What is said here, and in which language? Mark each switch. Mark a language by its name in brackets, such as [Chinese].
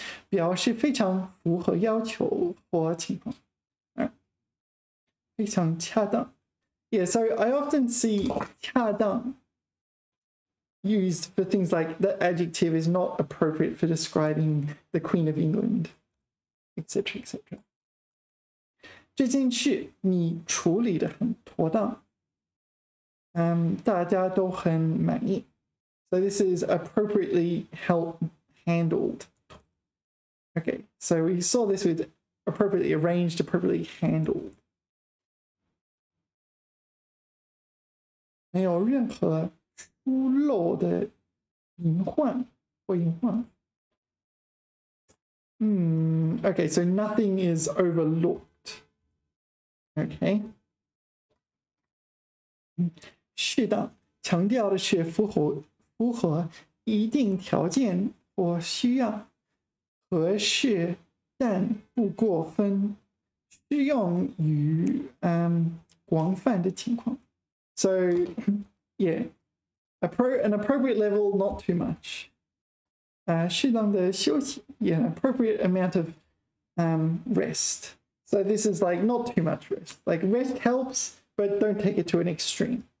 [Chinese] 表示非常符合要求或情况、非常恰当 [English] Yeah, so I often see 恰当 used for things like the adjective is not appropriate for describing the Queen of England etc, etc [Chinese] 这件事你处理得很妥当、大家都很满意 [English] So this is appropriately handled. Okay, so we saw this with appropriately arranged, appropriately handled. [Chinese] 没有任何出漏的隐患或隐患。 [English] Okay, so nothing is overlooked. Okay. [Chinese] 是的，强调的是符合一定条件或需要，合适但不过分，适用于广泛的情况。 [English] So, yeah, an appropriate level, not too much. [Chinese] 适当的休息 [English] yeah, an appropriate amount of rest. So this is like not too much rest. Like rest helps, but don't take it to an extreme.